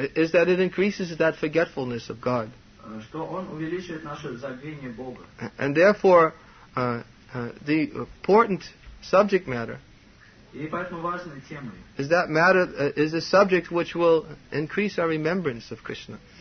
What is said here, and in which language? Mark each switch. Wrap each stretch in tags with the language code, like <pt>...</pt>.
<en>Is that it increases that forgetfulness of God.</en> <ru>Что он увеличивает наше забвение Бога.</ru> <en>And therefore, the important subject matter is that matter is a subject which will increase our remembrance of Krishna.</en>